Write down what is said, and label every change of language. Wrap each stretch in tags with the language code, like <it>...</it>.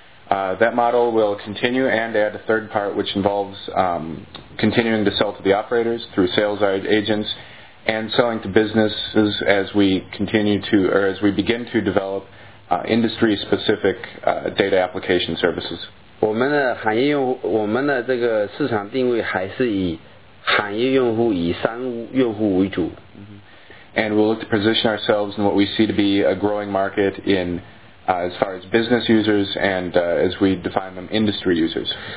<en>That model will continue and add a third part, which involves continuing to sell to the operators through sales agents and selling to businesses as we continue to, or as we begin to develop industry-specific data application services.</en> <zh>我们的行业用户，我们的这个市场定位还是以行业用户、以商务用户为主。</zh> <en>And we'll look to position ourselves in what we see to be a growing market in as far as business users and as we define them, industry users.</en>